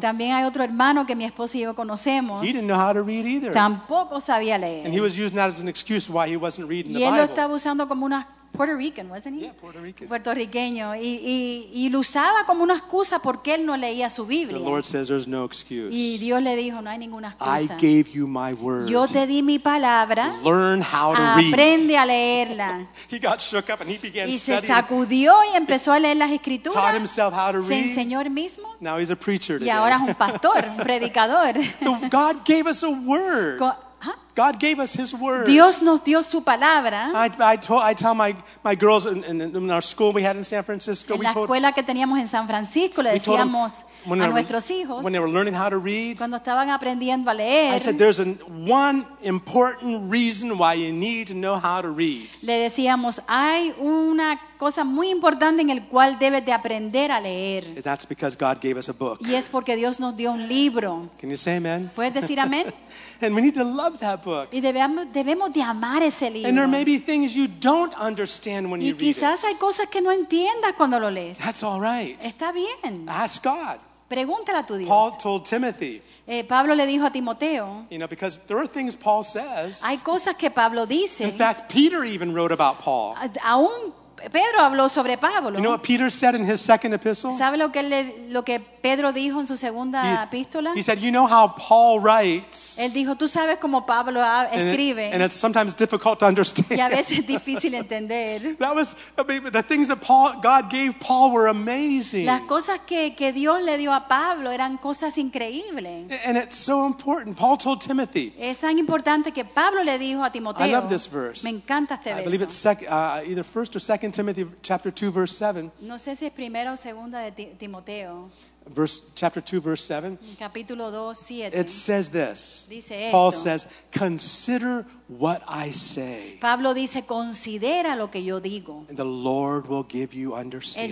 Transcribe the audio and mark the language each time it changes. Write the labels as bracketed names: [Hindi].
[Spanish] También hay otro hermano que mi esposa y yo conocemos. [English] He didn't know how to read either. [Spanish] Tampoco sabía leer. [English] And he was using that as an excuse why he wasn't reading the Bible. [Spanish] Y él lo estaba usando como una [English] Puerto Rican, wasn't he? Yeah, Puerto Rican. [Spanish] Puertorriqueño. Y lo usaba como una excusa porque él no leía su Biblia. [English] The Lord says there's no excuse. [Spanish] Y Dios le dijo, no hay ninguna excusa. [English] I gave you my word. [Spanish] Yo te di mi palabra. [English] Learn how to [Spanish] aprende [English] read. [Spanish] Aprende a leerla. [English] He got shook up and he began [Spanish] y [English] studying. [Spanish] Y se sacudió y empezó a leer las Escrituras. Taught himself how to read. Se enseñó él mismo. [English] Now he's a preacher [Spanish] today. Y ahora es un pastor, un predicador. [English] God gave us a word. God gave us His word. [Spanish] Dios nos dio su palabra. [English] I tell my girls in our school we had in San Francisco. [Spanish] En la escuela que teníamos en San Francisco le decíamos a nuestros hijos. [English] When they were learning how to read. [Spanish] Cuando estaban aprendiendo a leer. [English] I said there's one important reason why you need to know how to read. [Spanish] Le decíamos hay una cosa muy importante en el cual debes de aprender a leer. [English] That's because God gave us a book. [Spanish] Y es porque Dios nos dio un libro. [English] Can you say amen? [Spanish] ¿Puedes decir amén? [English] And we need to love that book. [Spanish] Y debemos de amar ese libro. [English] And there may be things you don't understand when [Spanish] y [English] you read it. [Spanish] Y quizás hay cosas que no entiendas cuando lo lees. [English] That's all right. [Spanish] Está bien. [English] Ask God. [Spanish] Pregúntale a tu Dios. [English] Paul told Timothy. [Spanish] Pablo le dijo a Timoteo. [English] You know, because there are things Paul says. [Spanish] Hay cosas que Pablo dice. [English] In fact, Peter even wrote about Paul. [Spanish] Aún Pedro habló sobre Pablo. [English] You know what Peter said in his second epistle? [Spanish] ¿Sabe lo que Pedro dijo en su segunda epístola? [English] He said, "You know how Paul writes." [Spanish] Él dijo, "Tú sabes cómo Pablo escribe." [English] And it's sometimes difficult to understand. [Spanish] Y a veces difícil entender. [English] The things that God gave Paul were amazing. [Spanish] Las cosas que Dios le dio a Pablo eran cosas increíbles. [English] And it's so important. Paul told Timothy. [Spanish] Es tan importante que Pablo le dijo a Timoteo. [English] I love this verse. [Spanish] Me encanta este verso. [English] I believe it's either 1 or 2 Timothy chapter 2 verse 7. [Spanish] No sé si es primera o segunda de Timoteo. [English] Chapter 2, verse 7. It says this. [Spanish] Dice esto. [English] Paul says, "Consider what I say." [Spanish] Pablo dice, considera lo que yo digo. [English] And the Lord will give you understanding.